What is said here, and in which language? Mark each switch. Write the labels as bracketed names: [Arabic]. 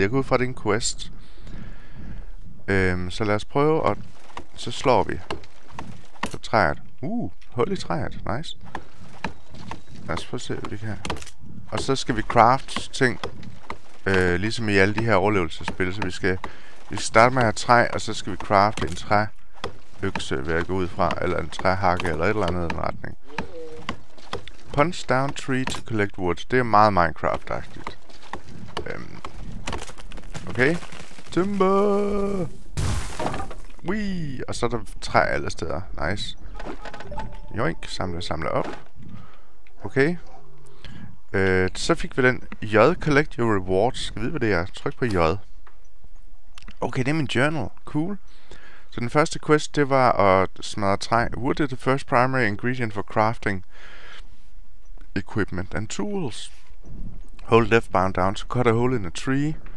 [Danish] Jeg går ud fra, det er en quest. Så lad os prøve, og så slår vi på træet. Hul i træet. Nice. Lad os prøve at se, hvad vi kan. Og så skal vi craft ting, ligesom i alle de her overlevelsesspil. Så vi skal starte med at have træ, og så skal vi crafte en træøkse, vil jeg gå ud fra, eller en træhakke, eller et eller andet i den retning. [English] Punch down tree to collect wood. [Danish] Det er meget Minecraft-agtigt. Okay. Timber! Wee! Og så er der træ alle steder. Nice. Joink. Samle op. Okay. Så fik vi den. J. [English] Collect your rewards. [Danish] Skal vi vide, hvad det er? Tryk på J. Okay, det er min journal. Cool. Så den første quest, det var at smadre træ. [English] Wood is the first primary ingredient for crafting equipment and tools. Hold left bound down to cut a hole in a tree.